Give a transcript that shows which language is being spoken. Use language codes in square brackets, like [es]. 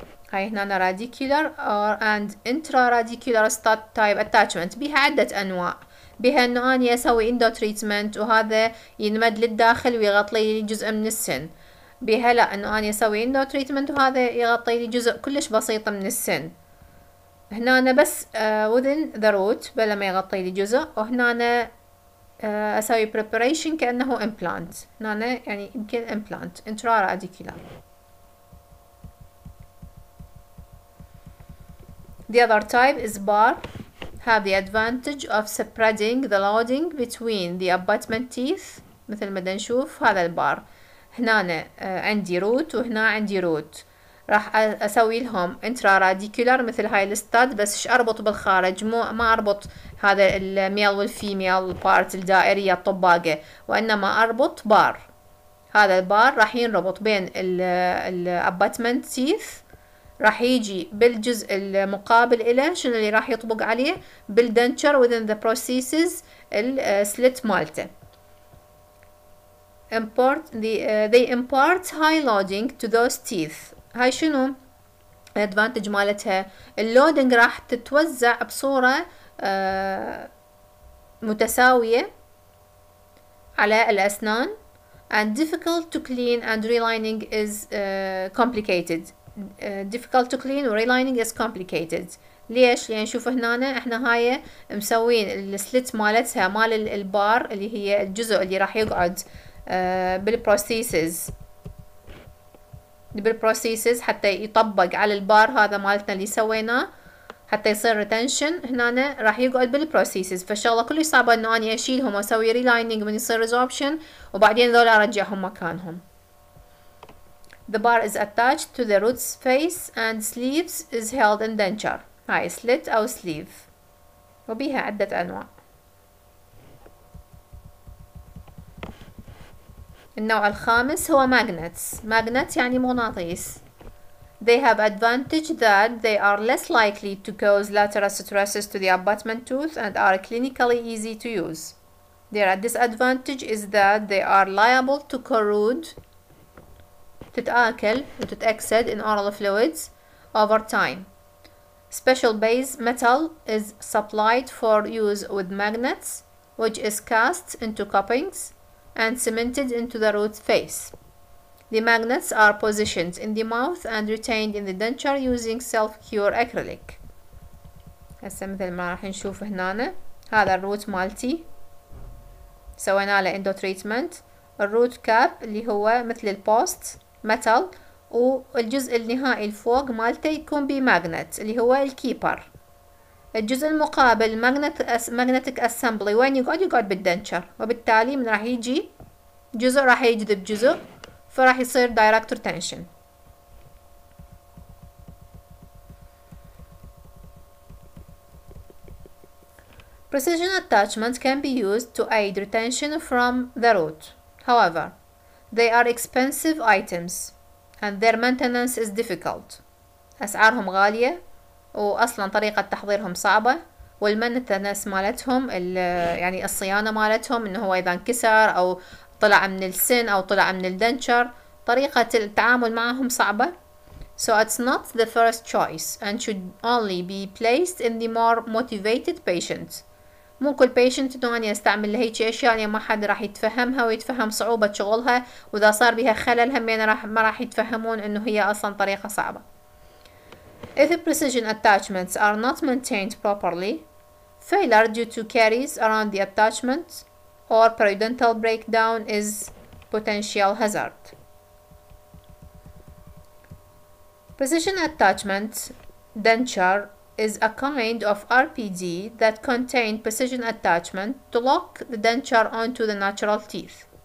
[ar] هاي هنا راديكولار اند انترا راديكولار ستاد تايب اتاتشمنت، بها عدة انواع، بها انه اني اسوي اندو تريتمنت وهذا ينمد للداخل ويغطي لي جزء من السن، بها لا انه اني اسوي اندو تريتمنت وهذا يغطي لي جزء كلش بسيط من السن. هنا انا بس [en] within the root [ar] بلا ما يغطي لي جزء، وهنا انا اسوي preparation كأنه implant، هنا أنا يعني يمكن implant انترا راديكولار. [en] The other type is bar, have the advantage of spreading the loading between the abutment teeth. [ar] مثل ما نشوف هذا البار، هنا عندي root وهنا عندي root، راح أسوي لهم intraradicular مثل هاي الستاد، بس إيش أربط بالخارج، مو ما أربط هذا الميل والفيميل بارت الدائرية الطباقة، وإنما أربط بار. هذا البار راح ينربط بين ال abutment teeth، راح يجي بالجزء المقابل له، شنو اللي راح يطبق عليه بالدنتشر [en] within the processes [ar] السلت مالته. [en] Import the they impart high loading to those teeth. [ar] هاي شنو؟ الادفانتج مالتها، اللودنج راح تتوزع بصورة متساوية على الأسنان. [en] And difficult to clean and relining is complicated. Difficult to clean and relining is complicated. [ar] ليش؟ يعني شوف هنا احنا هاي مسوين السلت مالتها مال البار اللي هي الجزء اللي راح يقعد بالبروسيسز بالبروسيسز حتى يطبق على البار هذا مالتنا اللي سويناه حتى يصير ريتنشن، هنا راح يقعد بالبروسيسز، فان شاء الله كلش صعبة انه اني اشيلهم واسوي ريلايننج من يصير ريزوربشن وبعدين ذولا ارجعهم مكانهم. [en] The bar is attached to the root's face and sleeves is held in denture. [ar] هاي سلت او سليف وبيها عدة انواع. النوع الخامس هو ماجنتس. ماجنتس يعني مغناطيس. [en] They have advantage that they are less likely to cause lateral stresses to the abutment tooth and are clinically easy to use. Their disadvantage is that they are liable to corrode [ar] تتآكل وتتأكسد [en] in oral fluids over time. Special base metal is supplied for use with magnets, which is cast into cuppings and cemented into the root face. The magnets are positioned in the mouth and retained in the denture using self-cure acrylic. [ar] هسه مثل ما راح نشوف هنا هذا الروت مالتي سوينا له اندو تريتمنت، الروت كاب اللي هو مثل البوست متل، والجزء النهائي الفوق مالته يكون بماجنت اللي هو الكيبر. الجزء المقابل ماجنت ماجنتك اسمبلي وين يقعد؟ يقعد بالدنشر، وبالتالي من راح يجي جزء راح يجذب جزء فراح يصير دايركتور تنشن. [en] Precision attachment can be used to aid retention from the root. However, they are expensive items and their maintenance is difficult. [ar] أسعارهم غالية وأصلا طريقة تحضيرهم صعبة، والمنتنس مالتهم يعني الصيانة مالتهم إنه هو إذا انكسر أو طلع من السن أو طلع من الدنشر طريقة التعامل معهم صعبة. [en] So it's not the first choice and should only be placed in the more motivated patients. [ar] مو كل بيشنت انه اني استعمل لهي اشياء يعني ما حد راح يتفهمها ويتفهم صعوبة شغلها، واذا صار بها خلل هم يعني راح ما راح يتفهمون انه هي اصلا طريقة صعبة. [en] If precision attachments are not maintained properly, failure due to caries around the attachment or periodontal breakdown is potential hazard. Precision attachment denture is a kind of RPD that contains precision attachment to lock the denture onto the natural teeth.